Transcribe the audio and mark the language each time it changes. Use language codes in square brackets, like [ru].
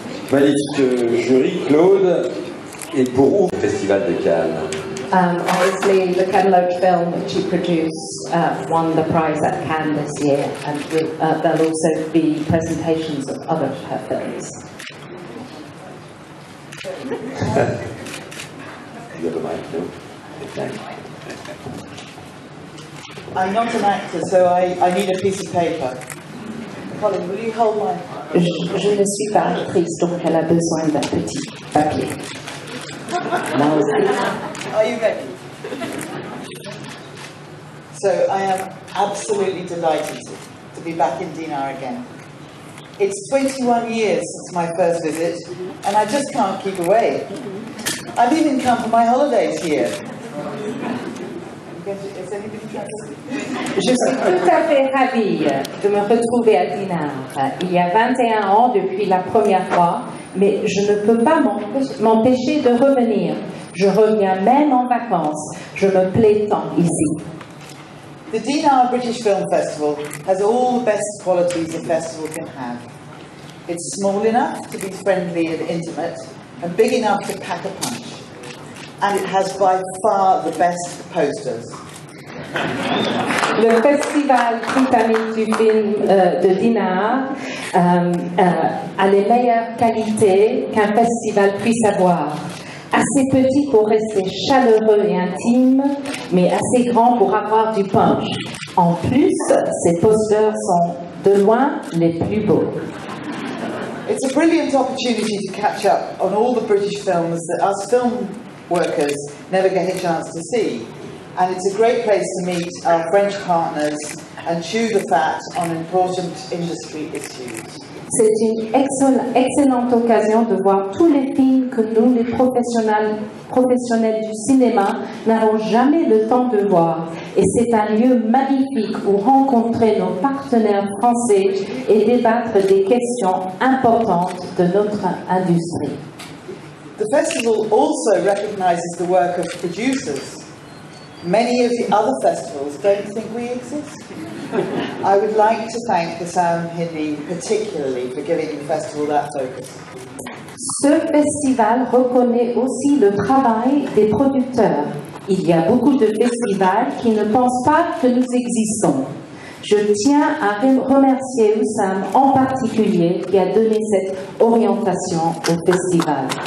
[fr] Magnifique jury, Claude, et pour où le Festival de Cannes? [en] Obviously, the Ken Loach film which you produced won the prize at Cannes this year, and there'll also be presentations of other of her films. You have a mic, no? I'm not an actor, so I need a piece of paper. Colin, will you hold my... [fr] Je ne suis pas actrice, donc elle a besoin d'un petit papier. [en] Now, are you ready? So, I am absolutely delighted to be back in Dinar again. It's 21 years since my first visit, and I just can't keep away. I've even come for my holidays here. [fr] Je suis tout à fait ravie de me retrouver à Dinar. Il y a 21 ans depuis la première fois, mais je ne peux pas m'empêcher de revenir. Je reviens même en vacances. Je me plais tant ici. [en] The Dinar British Film Festival has all the best qualities a festival can have. It's small enough to be friendly and intimate, and big enough to pack a punch. And it has by far the best posters. [fr] Le festival britannique du film de Dinar a les meilleures qualités qu'un festival puisse avoir. Assez petit pour rester chaleureux et intime, mais assez grand pour avoir du punch. En plus, ces posters sont de loin les plus beaux. [en] It's a brilliant opportunity to catch up on all the British films that us film workers never get a chance to see. And it's a great place to meet our French partners and chew the fat on important industry issues. [fr] C'est une excellente occasion de voir tous les films que nous, les professionnels du cinéma, n'avons jamais le temps de voir. Et c'est un lieu magnifique où rencontrer nos partenaires français et débattre des questions importantes de notre industrie. [en] The festival also recognizes the work of producers. Many of the other festivals don't think we exist. I would like to thank Hassan Hindi particularly for giving the festival that focus. [fr] Ce festival reconnaît aussi le travail des producteurs. Il y a beaucoup de festivals qui ne pensent pas que nous existons. Je tiens à remercier Hassan en particulier qui a donné cette orientation au festival.